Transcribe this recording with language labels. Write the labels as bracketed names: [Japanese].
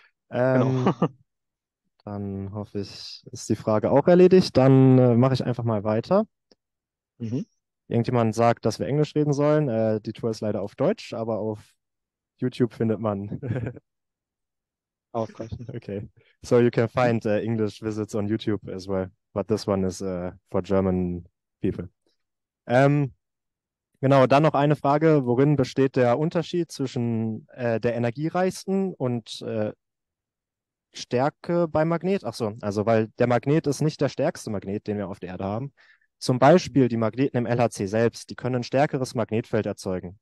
[German] Genau. Dann hoffe ich, ist die Frage auch erledigt. Dann mache ich einfach mal weiter. Irgendjemand sagt, dass wir Englisch reden sollen. Die Tour ist leider auf Deutsch, aber auf YouTube findet man. Ausreichend. Okay. [English] So you can find English visits on YouTube as well. But this one is for German people. [German] Genau, dann noch eine Frage. Worin besteht der Unterschied zwischen der energiereichsten und Stärke beim Magnet? Ach so, also weil der Magnet ist nicht der stärkste Magnet, den wir auf der Erde haben. Zum Beispiel die Magneten im LHC selbst, die können ein stärkeres Magnetfeld erzeugen.